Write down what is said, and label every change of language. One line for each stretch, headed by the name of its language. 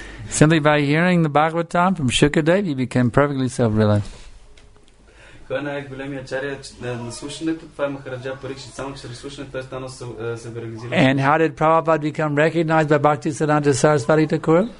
English: Simply by hearing the Bhagavatam from Shukadev, you became perfectly self-realized.
Bulgarian: Кой е най-големият ачарья на слушането? Това е Махараджа Парикшит. Само чрез слушане той стана себеорганизиран.
English: And how did Prabhupada become recognized by Bhaktisiddhanta Sarasvati Thakur?